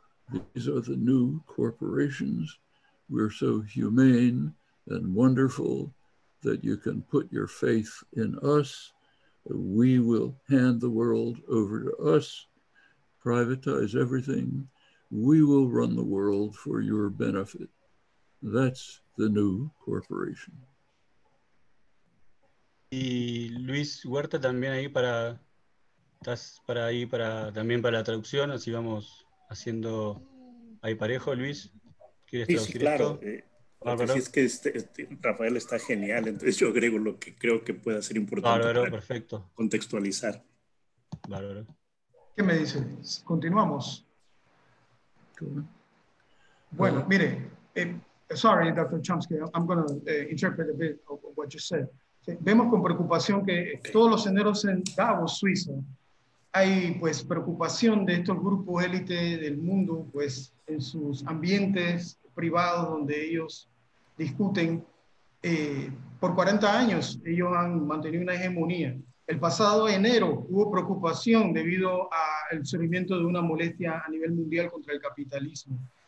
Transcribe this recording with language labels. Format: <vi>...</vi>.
<en>These are the new corporations. We're so humane and wonderful that you can put your faith in us. We will hand the world over to us, privatize everything. We will run the world for your benefit. That's the new corporation.</en> <es>Y Luis Huerta también ahí para, estás para ahí para también para la traducción, así vamos haciendo ahí parejo. Luis, ¿quieres traducir? Sí, claro. Bárbaro. Es que Rafael está genial, entonces yo agrego lo que creo que pueda ser importante. Bárbaro, perfecto. Contextualizar. Bárbaro. ¿Qué me dice? Continuamos. Bueno, mire, sorry, Dr.</es> <en>Chomsky, I'm going to interpret a bit of what you said.</en> <es>Vemos con preocupación que todos los senderos en Davos, Suiza, hay pues preocupación de estos grupos élite del mundo, pues en sus ambientes privados donde ellos discuten. Por 40 años ellos han mantenido una hegemonía. El pasado enero hubo preocupación debido al surgimiento de una molestia a nivel mundial contra el capitalismo.</es>